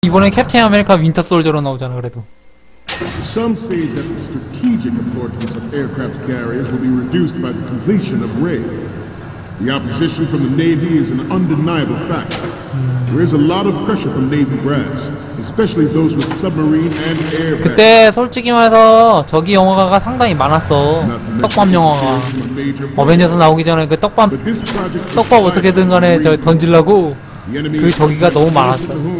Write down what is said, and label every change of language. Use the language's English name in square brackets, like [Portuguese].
[Korean] 이번에 캡틴 아메리카 윈터 솔저로 나오잖아 그래도. [English] Some say that the strategic importance of aircraft carriers will be reduced by the completion of RAID. The opposition from the Navy is an undeniable fact. There is a lot of pressure from Navy brass, especially those with submarine and air. [Korean] 그때 솔직히 말해서 저기 영화가 상당히 많았어. 떡밥 영화가. 어벤져스 나오기 전에 그 떡밥 어떻게든 간에 저 던지려고 그 저기가 너무 많았어.